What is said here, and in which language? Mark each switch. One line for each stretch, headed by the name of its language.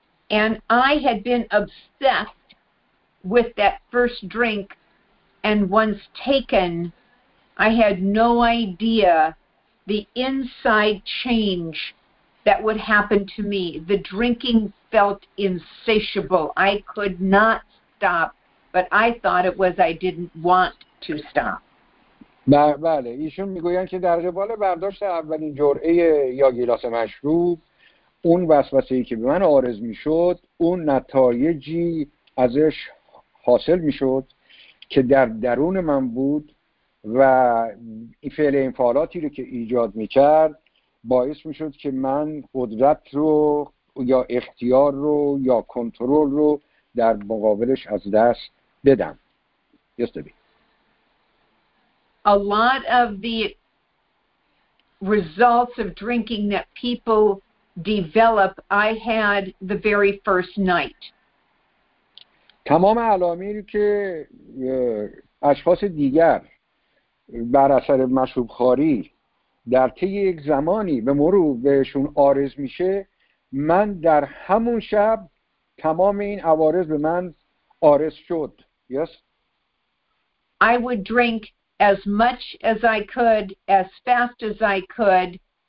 English: And I had been obsessed with that first drink and once taken I had no idea the inside change that would happen to me. The drinking felt insatiable. I could not stop, but I thought it was I didn't want to stop.
Persian: بله، ایشون میگویند که در قبال برداشت اولین جرعه یا گیلاس مشروب، اون وسوسه‌ای که به من عارض میشد، اون نتایجی ازش حاصل میشد که در درون من بود و فعل انفعالاتی رو که ایجاد میکرد باعث میشد که من قدرت رو یا اختیار رو یا کنترل رو در مقابلش از دست بدم.
English: A lot of the results of drinking that people develop I had the very first night.
Persian: تمام علامی که اشخاص دیگر بر اثر مشروب خواری در طی یک زمانی به مرور بهشون عارض میشه، من در همون شب تمام این عوارض به من عارض شد.
English: Yes. I would drink as much as I could, as fast as I could.